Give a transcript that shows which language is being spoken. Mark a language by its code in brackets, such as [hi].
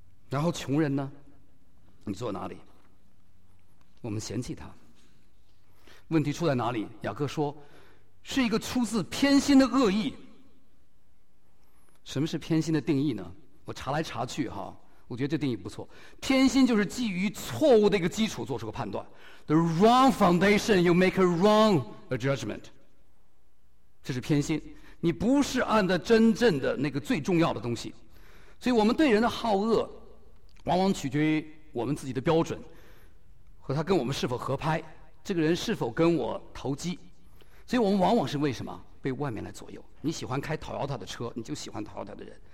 [zh] 然后穷人呢，你坐哪里？我们嫌弃他。问题出在哪里？雅各说是一个出自偏心的恶意。什么是偏心的定义呢？我查来查去哈，我觉得这定义不错。偏心就是基于错误的一个基础做出个判断。 [en] The wrong foundation, you make a wrong judgment. [zh] 这是偏心。你不是按的真正的那个最重要的东西。所以我们对人的好恶往往取决于我们自己的标准和他跟我们是否合拍，这个人是否跟我投机。所以我们往往是为什么被外面来左右。你喜欢开Toyota的车，你就喜欢Toyota的人。